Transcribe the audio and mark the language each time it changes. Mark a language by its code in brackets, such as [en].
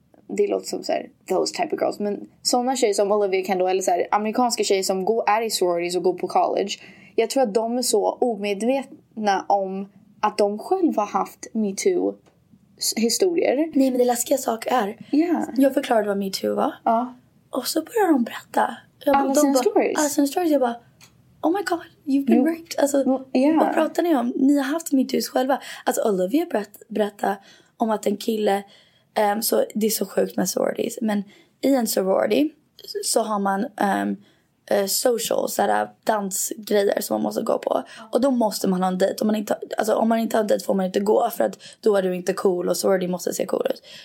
[sv] Det låter som så här, [en] those type of girls. [sv] Men sådana tjejer som Olivia Kendall eller så här, amerikanska tjejer som är i sororities och går på college. Jag tror att de är så omedvetna om att de själva har haft Me Too-historier. Nej, men det läskiga sak är. [en] Yeah. [sv] Jag förklarade vad Me Too var. Och så börjar de berätta. Alla sina stories. Jag bara, [en] oh my god, you've been raped. [sv] Alltså, vad pratar ni om? Ni har haft Me Too själva. Alltså, Olivia berättade om att en kille... så det är så sjukt med sororities. Men i en sorority så har man socials, sådär dansgrejer som man måste gå på. Och då måste man ha en dejt. Om man inte har en dejt får man inte gå, för att då är du inte cool och sorority måste se cool ut.